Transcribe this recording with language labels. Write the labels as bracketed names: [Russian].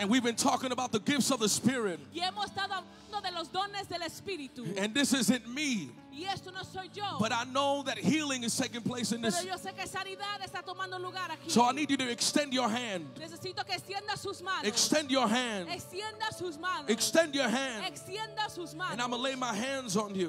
[English] And we've been talking about the gifts of the Spirit. [Spanish] Y hemos estado hablando de los dones del Espíritu. [English] And this isn't me. [Spanish] Y esto no soy yo. [English] But I know that healing is taking place in [Spanish] pero [English] this. [Spanish] Yo sé que sanidad está tomando lugar aquí. [English] So I need you to extend your hand. [Spanish] Necesito que extienda sus manos. [English] Extend your hand. [Spanish] Extienda sus manos. [English] Extend your hand. [Spanish] Extienda sus manos. [English] And I'm going to lay my hands on you.